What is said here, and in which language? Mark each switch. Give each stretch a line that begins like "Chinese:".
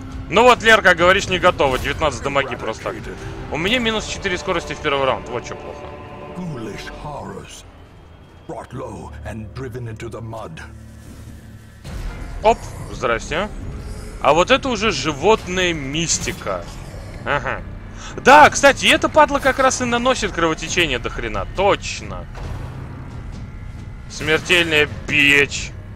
Russian: Ну вот, Лер, как говоришь, не готово. 19 дамаги просто. У меня минус 4 скорости в первый раунд. Вот что плохо.
English: Foolish horrors brought low and driven into the mud.
Russian: Оп, здрасте. А вот это уже животная мистика. Ага. Да, кстати, эта падла как раз и наносит кровотечение до хрена. Точно. Смертельная печь.